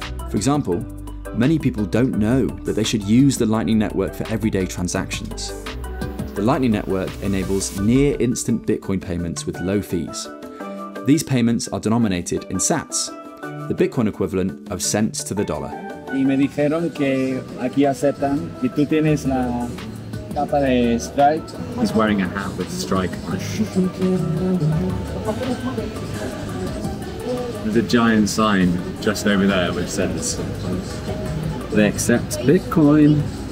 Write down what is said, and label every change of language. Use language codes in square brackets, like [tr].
[en] For example, many people don't know that they should use the Lightning Network for everyday transactions. The Lightning Network enables near-instant Bitcoin payments with low fees. These payments are denominated in sats, the Bitcoin equivalent of cents to the dollar. [es] Y me dijeron que aquí aceptan que tú tienes la capa de Strike. [en] He's wearing a hat with Strike on it. There's a giant sign just over there which says they accept Bitcoin.